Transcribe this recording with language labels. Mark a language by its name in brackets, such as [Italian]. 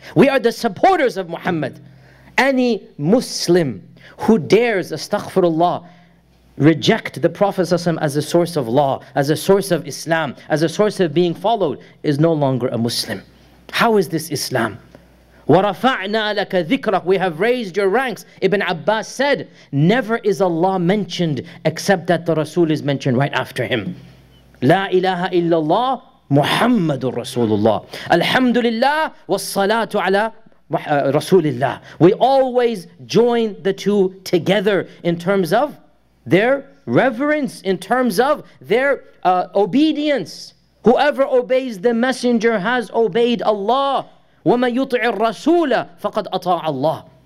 [English] We are the supporters of Muhammad. Any Muslim who dares, astaghfirullah, reject the Prophet as a source of law, as a source of Islam, as a source of being followed, is no longer a Muslim. How is this Islam? [Arabic] وَرَفَعْنَا لَكَ ذِكْرَكَ. [English] We have raised your ranks. Ibn Abbas said, never is Allah mentioned except that the Rasul is mentioned right after him. [Arabic] لا إله إلا الله محمد رسول الله. الحمد لله والصلاة على رسول الله. [English] We always join the two together in terms of their reverence, in terms of their obedience. Whoever obeys the Messenger has obeyed Allah. [Arabic] وَمَن يُطِعِ الرَّسُولَ فَقَدْ أَطَاعَ اللَّهَ.